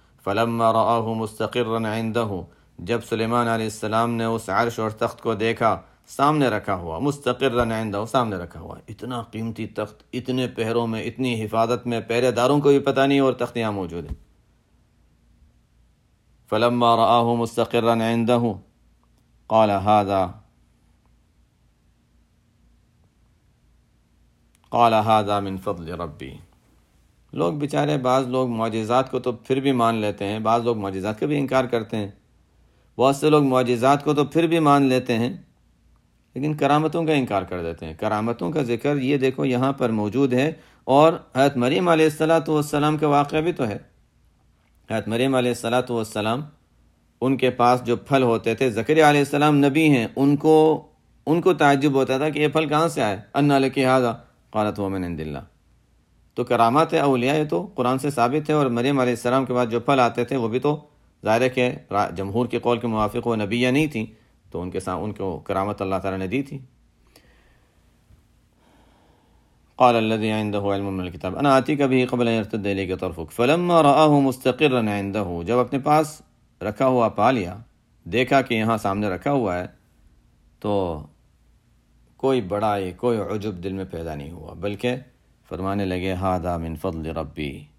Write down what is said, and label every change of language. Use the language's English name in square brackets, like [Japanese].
[Arabic] فلما رآہ مستقرا عندہ، [Urdu] جب سلیمان علیہ السلام نے اس عرش اور تخت کو دیکھا، سامنے رکھا ہوا، مستقرا عندہ، سامنے رکھا ہوا، اتنا قیمتی تخت، اتنے پہروں میں، اتنی حفاظت میں، پہرے داروں کو بھی پتہ نہیں اور تخت یہاں موجود ہے. [Arabic] فلما رآہ مستقرا عندہ قال ھذا قال ھذا من فضل ربی. [Urdu] لوگ بیچارے، بعض لوگ معجزات کو تو پھر بھی مان لیتے ہیں، بعض لوگ معجزات کا بھی انکار کرتے ہیں. بہت سے لوگ معجزات کو تو پھر بھی مان لیتے ہیں لیکن کرامتوں کا انکار کر دیتے ہیں. کرامتوں کا ذکر یہ دیکھو یہاں پر موجود ہے، اور حضرت مریم علیہ الصلاۃ والسلام کا واقعہ بھی تو ہے. حضرت مریم علیہ الصلاۃ والسلام، ان کے پاس جو پھل ہوتے تھے، زکریا علیہ السلام نبی ہیں، ان کو تعجب ہوتا تھا کہ یہ پھل کہاں سے آئے. [Arabic] انا لکی ھذا قالت ھو من عند اللہ. [Urdu] تو کرامات اولیاء یہ تو قرآن سے ثابت ہے، اور مریم علیہ السلام کے بعد جو پھل آتے تھے وہ بھی تو ظاہر ہے کہ جمہور کے قول کے موافق وہ نبیہ نہیں تھیں، تو ان کو کرامت اللہ تعالیٰ نے دی تھی. [Arabic] قال الذي عنده علم من الكتاب انا آتيك به قبل ان يرتد اليك طرفك فلما رآه مستقرا عنده، [Urdu] جب اپنے پاس رکھا ہوا پا لیا، دیکھا کہ یہاں سامنے رکھا ہوا ہے، تو کوئی بڑائی، کوئی عجب دل میں پیدا نہیں ہوا، بلکہ فرمانے لگے [Arabic] ھذا من فضل ربی.